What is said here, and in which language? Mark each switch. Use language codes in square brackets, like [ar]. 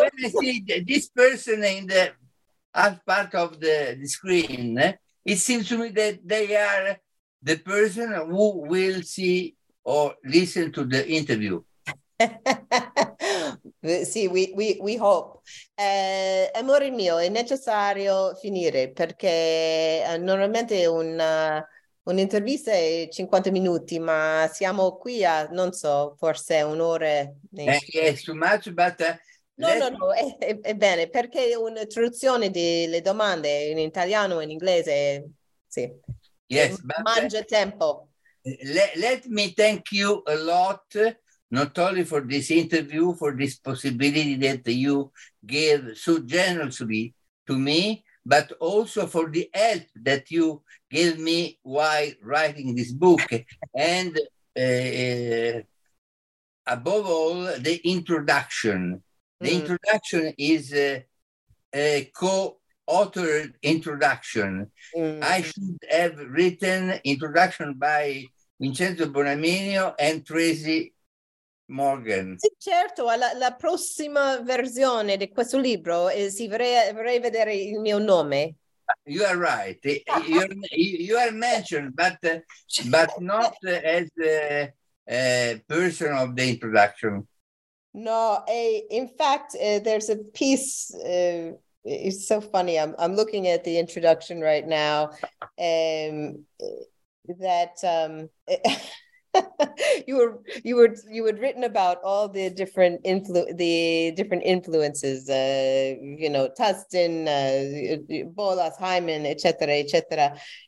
[en] When I see this person in the other part of the screen, it seems to me that they are the person who will see or listen to the interview. [it] Sì, [en] we hope. [it] Amore mio, è necessario finire perché normalmente un'intervista è 50 minuti, ma siamo qui a, non so, forse un'ora. [en] Yes, too much, but... [it] No, è bene, perché una traduzione delle domande in italiano e in inglese, sì. [en] Yes, [it] mangia tempo. [en] Let me thank you a lot, not only for this interview, for this possibility that you gave so generously to me, but also for the help that you gave me while writing this book. And above all, the introduction. The introduction is a co-authored introduction. Mm. I should have written introduction by Vincenzo Bonaminio and Tracy Morgan. [it] Sì, certo, la prossima versione di questo libro vorrei vedere il mio nome. [en] You are right. You are mentioned, but not as a person of the introduction. No, in fact, there's a piece, it's so funny, I'm looking at the introduction right now, you had written about all the different influences, you know, Tustin, Bolas, Hyman, etc., etc.